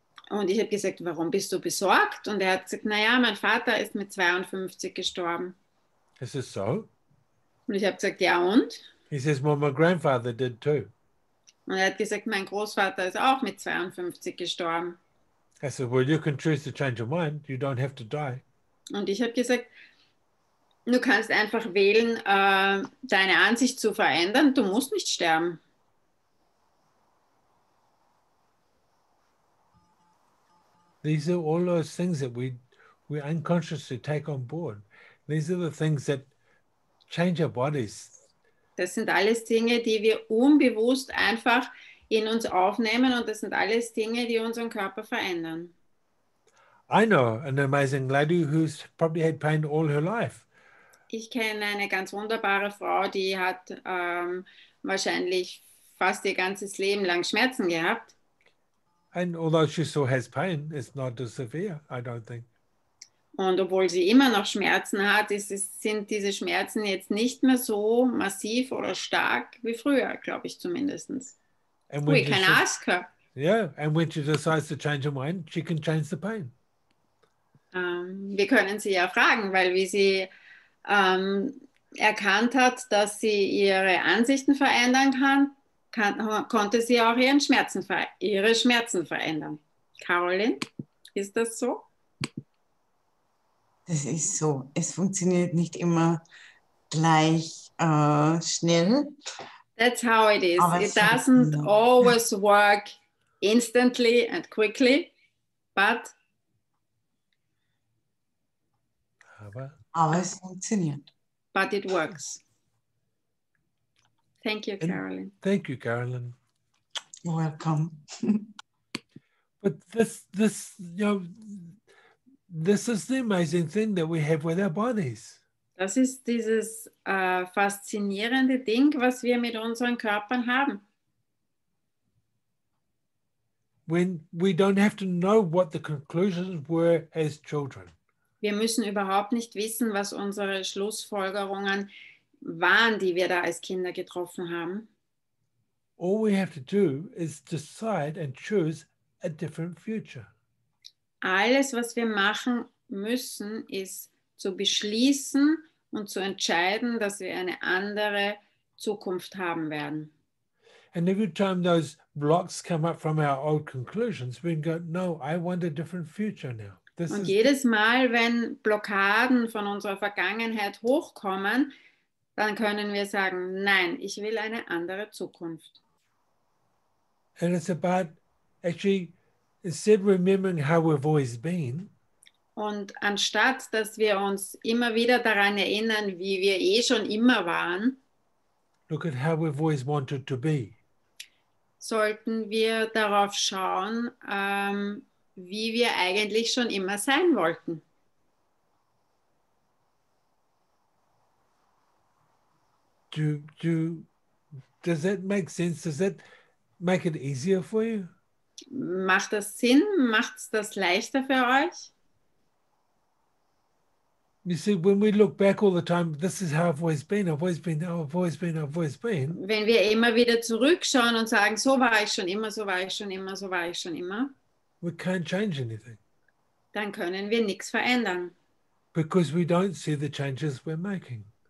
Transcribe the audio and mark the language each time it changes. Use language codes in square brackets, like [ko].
[de] Und ich habe gesagt, warum bist du besorgt? Und er hat gesagt, naja, mein Vater ist mit 52 gestorben. [en] I said, so? [de] Und ich habe gesagt, ja und? [en] He says, well, my grandfather did too. [de] Und er hat gesagt, mein Großvater ist auch mit 52 gestorben. [en] I said, well, you can choose to change your mind. You don't have to die. [de] Und ich habe gesagt, du kannst einfach wählen, deine Ansicht zu verändern. Du musst nicht sterben. [en] These are all those things that we unconsciously take on board. These are the things that change our bodies. [de] Das sind alles Dinge, die wir unbewusst einfach in uns aufnehmen, und das sind alles Dinge, die unseren Körper verändern. [en] I know an amazing lady who's probably had pain all her life. [de] Ich kenne eine ganz wunderbare Frau, die hat wahrscheinlich fast ihr ganzes Leben lang Schmerzen gehabt. [en] And although she still has pain, it's not as severe, I don't think. [de] Und obwohl sie immer noch Schmerzen hat, sind diese Schmerzen jetzt nicht mehr so massiv oder stark wie früher, glaube ich zumindest. [en] We can ask her. Yeah, and when she decides to change her mind, she can change the pain. [de] Wir können sie ja fragen, weil wie sie erkannt hat, dass sie ihre Ansichten verändern kann, konnte sie auch ihre Schmerzen verändern. Caroline, ist das so? Das ist so. Es funktioniert nicht immer gleich schnell. [en] That's how it is. It doesn't always work instantly and quickly. But. [de] Aber es funktioniert. [en] But it works. Thank you, Caroline. Thank you, Caroline. You're welcome. But this, you know. This is the amazing thing that we have with our bodies. [de] Das ist dieses faszinierende Ding, was wir mit unseren Körpern haben. [en] When we don't have to know what the conclusions were as children. [de] Wir müssen überhaupt nicht wissen, was unsere Schlussfolgerungen waren, die wir da als Kinder getroffen haben. [en] All we have to do is decide and choose a different future. [de] Alles, was wir machen müssen, ist zu beschließen und zu entscheiden, dass wir eine andere Zukunft haben werden. [en] And every time those blocks come up from our old conclusions, we go, no, I want a different future now. [de] This und jedes Mal, wenn Blockaden von unserer Vergangenheit hochkommen, dann können wir sagen, nein, ich will eine andere Zukunft. [en] And it's about actually instead remembering how we've always been. [de] Und anstatt, dass wir uns immer wieder daran erinnern, wie wir eh schon immer waren, [en] look at how we've always wanted to be. [de] Sollten wir darauf schauen, wie wir eigentlich schon immer sein wollten. [en] Does that make sense? Does that make it easier for you? [de] Macht das Sinn? Macht es das leichter für euch? [en] You see, when we look back all the time, this is how I've always been, I've always been, I've always been, I've always been. [de] Wenn wir immer wieder zurückschauen und sagen, so war ich schon immer, so war ich schon immer, so war ich schon immer. [en] We can't change anything. [de] Dann können wir nichts verändern. [en] Because we don't see the changes we're making.